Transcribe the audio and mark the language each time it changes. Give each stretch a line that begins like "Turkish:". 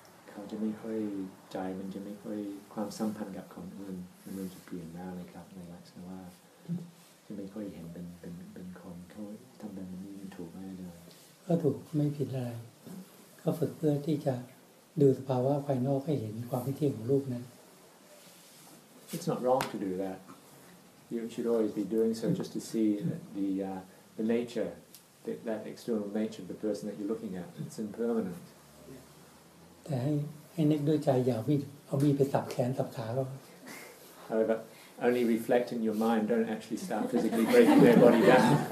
Thai: เขาจะไม่ค่อยใจมันจะไม่ค่อยความสัมพันธ์กับคนอื่นมันจะเปลี่ยนแล้วนะครับในลักษณะว่าจะไม่ค่อยเห็นเป็นคนเขาทำแบบนี้ถูกไหมเนี่ยก็ถูกไม่ผิดอะไรก็ฝึกเพื่อที่จะดูสภาวะภายนอกให้เห็นความไม่เที่ยงของรูปนั้น
English: It's not wrong to do that. You should always be doing so just to see the nature, that external nature of the person that you're looking at. It's impermanent.
Thai: แต่ให้นึกด้วยใจอย่าวิ่งเอามีดไปสับแขนสับขาก็
English: Only reflect in your mind, don't actually start physically breaking their body down.